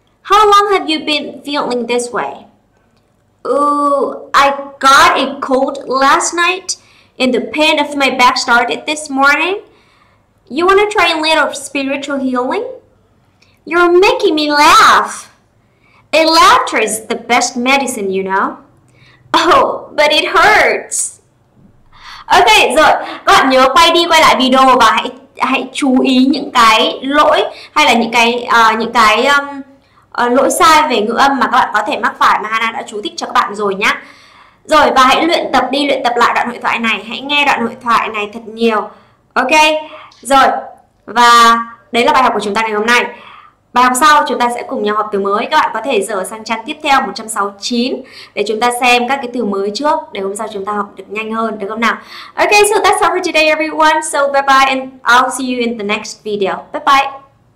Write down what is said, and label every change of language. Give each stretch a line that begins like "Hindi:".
English: How long have you been feeling this way? Ooh, I got a cold last night and the pain of my back started this morning. You want to try a little spiritual healing? You're making me laugh. A laughter is the best medicine, you know. Oh, but it hurts.
Vietnamese: Ok, rồi, các bạn nhớ quay đi quay lại video và hãy chú ý những cái lỗi hay là những cái lỗi sai về ngữ âm mà các bạn có thể mắc phải mà Hana đã chú thích cho các bạn rồi nhá. Rồi, và hãy luyện tập đi, luyện tập lại đoạn hội thoại này. Hãy nghe đoạn hội thoại này thật nhiều. Ok, rồi, và đấy là bài học của chúng ta ngày hôm nay. Bài học sau chúng ta sẽ cùng nhau học từ mới. Các bạn có thể dở sang trang tiếp theo 169 để chúng ta xem các cái từ mới trước để hôm sau chúng ta học được nhanh hơn, được không nào?
English: Ok, so that's all for today everyone. So bye bye and I'll see you in the next video. Bye bye.